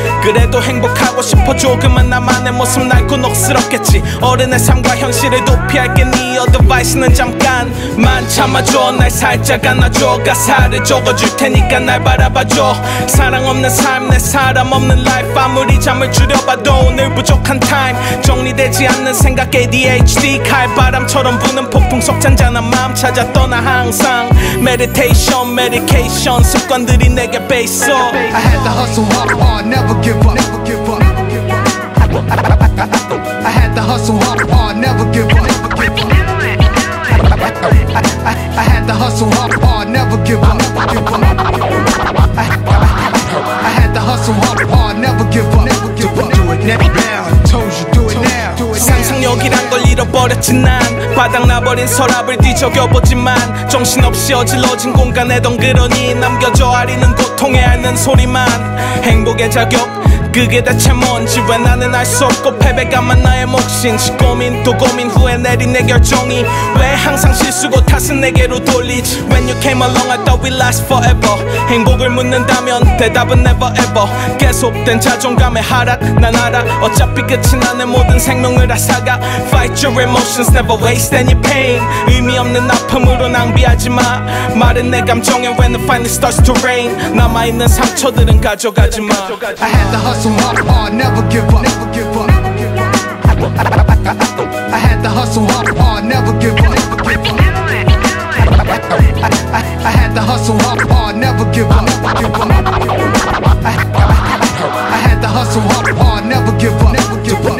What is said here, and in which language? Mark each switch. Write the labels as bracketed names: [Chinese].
[Korean] 그래도 행복하고 싶어 조금은 나만의 모습 낡고 녹슬었겠지 어른의 삶과 현실을 도피할게 네 어드바이스는 잠깐만 참아줘 날 살짝 안아줘 가사를 적어줄 테니까 날 바라봐줘 사랑 없는 삶 내 사람 없는 life 아무리 잠을 줄여봐도 오늘 부족한 타임 정리되지 않는 생각 ADHD 칼바람처럼 부는 폭풍 속잔잔한 마음 찾아 떠나 항상 Meditation, Medication 습관들이 내게 베이스 [English] I had to hustle hard, hard, never give up, never give up. I had to hustle hard, hard, never give up, never give up. I had to hustle hard, hard, never give up, never give up. I had to hustle hard, hard, never give up, never give up. Now, [Korean] 상상력이란 걸 잃어버렸지 난 바닥나버린 서랍을 뒤적여보지만 정신없이 어질러진 공간에던 그러니 남겨져 아리는 고통에 앓는 소리만 행복의 자격 그게 대체 뭔지 왜 나는 알 수 없고 패배감만 나의 몫인 지 고민 또 고민 후에 내린 내 결정이 왜 항상 실수고 탓은 내게로 돌리지 [English] When you came along I thought we'd last forever [Korean] 행복을 묻는다면 대답은 [English] never ever [Korean] 계속된 자존감의 하락 난 알아 어차피 끝이 나는 모든 생명을 앗아가 [English] Fight your emotions never waste any pain [Korean] 의미 없는 아픔으로 낭비하지 마 마른 내 감정에 [English] when it finally starts to rain [Korean] 남아있는 상처들은 가져가지 마 [English] I had to hustle hard, hard, never give up, never give up. I had to hustle hard, hard, never give up, never give up. I had to hustle hard, hard, never give up, never give up. I had to hustle hard, hard, never give up, never give up.